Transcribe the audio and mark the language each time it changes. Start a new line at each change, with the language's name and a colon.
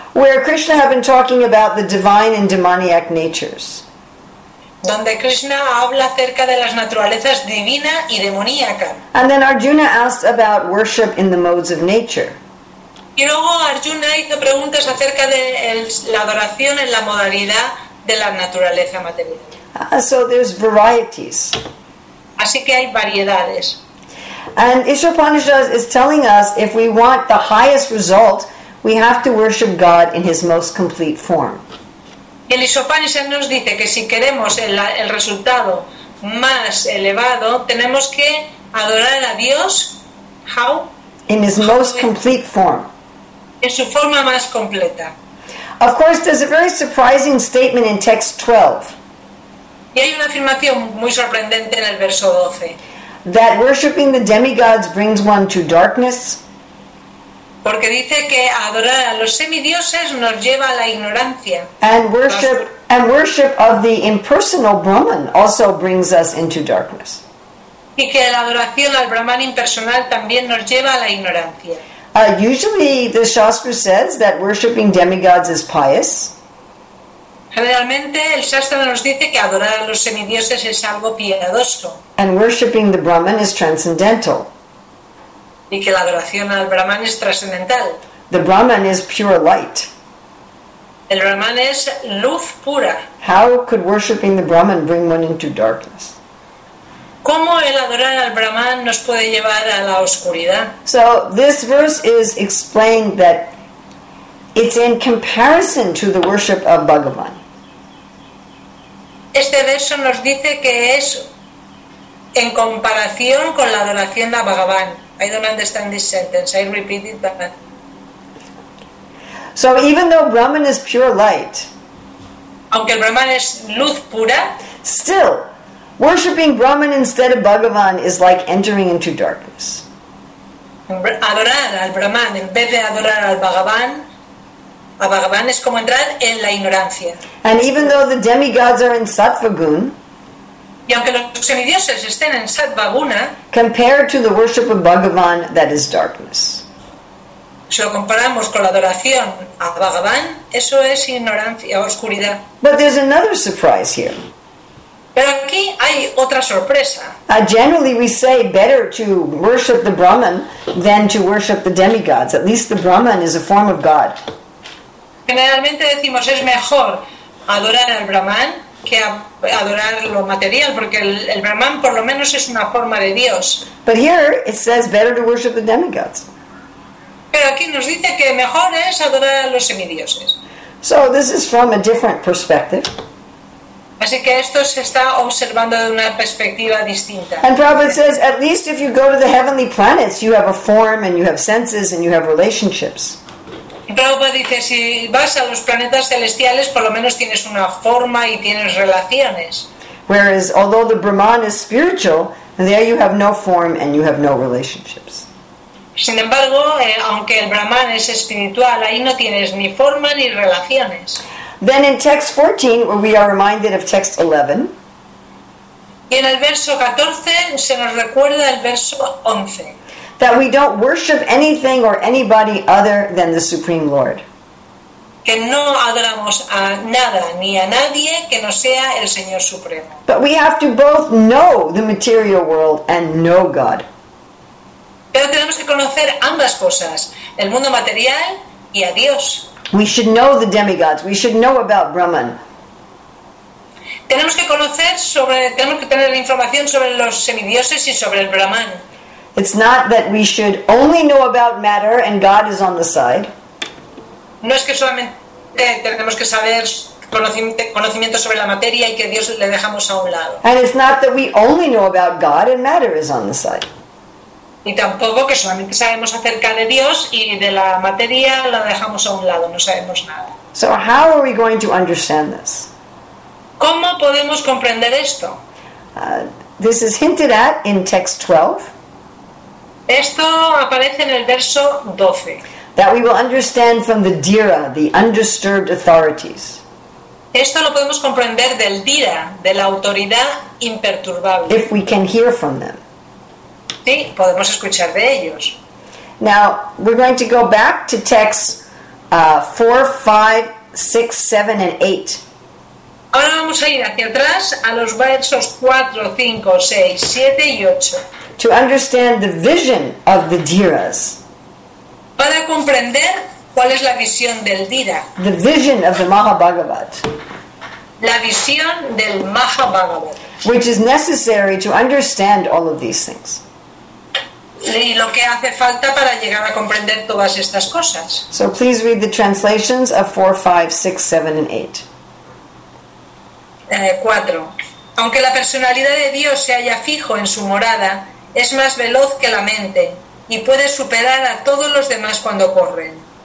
English: Where Krishna had been talking about the divine and demoniac natures.
Spanish: Donde Krishna habla acerca de las naturalezas divina y demoníaca.
English: And then Arjuna asked about worship in the modes of nature.
Spanish: Y luego Arjuna hizo preguntas acerca de la adoración en la modalidad de la naturaleza material.
English: So there's varieties.
Spanish: Así que hay variedades.
English: And Isha-Upanishad is telling us if we want the highest result, we have to worship God in his most complete form.
Spanish: El Isha-Upanishad nos dice que si queremos el resultado más elevado, tenemos que adorar a Dios.
English: How? In his most complete form.
Spanish: En su forma más completa.
English: Of course, there's a very surprising statement in text 12.
Spanish: Y hay una afirmación muy sorprendente en el verso 12.
English: That worshiping the demigods brings one to darkness.
Spanish: Porque dice que adorar a los semidioses nos lleva a la ignorancia.
English: And worship of the impersonal Brahman also brings us into darkness.
Spanish: Y que la adoración al Brahman impersonal también nos lleva a la ignorancia.
English: Usually the Shastra says that worshiping demigods is pious.
Spanish: Generalmente el Shastra nos dice que adorar a los semidioses es algo piadoso.
English: And worshiping the Brahman is transcendental.
Spanish: Y que la adoración al Brahman es trascendental.
English: The Brahman is pure light.
Spanish: El Brahman es luz pura.
English: How could worshiping the Brahman bring one into darkness?
Spanish: ¿Cómo el adorar al Brahman nos puede llevar a la oscuridad?
English: So this verse is explained that it's in comparison to the worship of Bhagavan.
Spanish: Este verso nos dice que es en comparación con la adoración a Bhagavan.
English: I don't understand this sentence. I repeat it, but... So even though Brahman is pure light,
Spanish: aunque el Brahman es luz pura,
English: still, worshipping Brahman instead of Bhagavan is like entering into darkness.
Spanish: Adorar al Brahman en vez de adorar al Bhagavan, a Bhagavan es como entrar en la ignorancia.
English: And even though the demigods are in Sattvagun,
Spanish: y aunque los semidioses estén en Sattvaguna,
English: compared to the worship of Bhagavan, that is darkness.
Spanish: Si lo comparamos con la adoración a Bhagavan, eso es ignorancia, oscuridad.
English: But there's another surprise here.
Spanish: Pero aquí hay otra sorpresa.
English: Generally we say better to worship the Brahman than to worship the demigods. At least the Brahman is a form of God.
Spanish: Generalmente decimos es mejor adorar al Brahman que adorar lo material, porque el Brahman por lo menos es una forma de Dios.
English: But here it says better to worship the demigods.
Spanish: Pero aquí nos dice que mejor es adorar a los semidioses.
English: So this is from a different perspective.
Spanish: Así que esto se está observando de una perspectiva distinta.
English: And Prabhupada says, at least if you go to the heavenly planets, you have a form and you have senses and you have relationships.
Spanish: Y Prabhupada dice, si vas a los planetas celestiales, por lo menos tienes una forma y tienes relaciones.
English: Whereas, although the Brahman is spiritual, there you have no form and you have no relationships.
Spanish: Sin embargo, aunque el Brahman es espiritual, ahí no tienes ni forma ni relaciones.
English: Then in text 14, where we are reminded of text 11.
Spanish: Y en el verso 14 se nos recuerda el verso 11.
English: That we don't worship anything or anybody other than the Supreme Lord.
Spanish: Que no adoramos a nada ni a nadie que no sea el Señor Supremo.
English: But we have to both know the material world and know God.
Spanish: Pero tenemos que conocer ambas cosas, el mundo material y a Dios.
English: We should know the demigods. We should know about Brahman.
Spanish: Tenemos que tener la información sobre los semidioses y sobre el Brahman.
English: It's not that we should only know about matter and God is on the side.
Spanish: No es que solamente tenemos que saber conocimiento sobre la materia y que Dios le dejamos a un lado.
English: And it's not that we only know about God and matter is on the side.
Spanish: Y tampoco que solamente sabemos acerca de Dios y de la materia la dejamos a un lado, no sabemos nada.
English: So how are we going to understand this?
Spanish: ¿Cómo podemos comprender esto?
English: This is hinted at in text 12.
Spanish: Esto aparece en el verso 12.
English: That we will understand from the Dhira, the undisturbed authorities.
Spanish: Esto lo podemos comprender del Dhira, de la autoridad imperturbable.
English: If we can hear from them.
Spanish: Sí, podemos escuchar de ellos.
English: Now, we're going to go back to texts 4, 5, 6, 7, and 8.
Spanish: Ahora vamos a ir hacia atrás a los versos 4, 5, 6, 7 y 8.
English: To understand the vision of the Dhiras.
Spanish: Para comprender cuál es la visión del Dhira.
English: The vision of the Mahabhagavat.
Spanish: la visión del Mahabharata,
English: which is necessary to understand all of these things.
Spanish: Y lo que hace falta para llegar a comprender todas estas cosas.
English: So please read the translations of 4, 5, 6, 7 and 8. 4.
Spanish: Aunque la personalidad de Dios se halla fijo en su morada, es más veloz que la mente y puede superar a todos los demás cuando corren.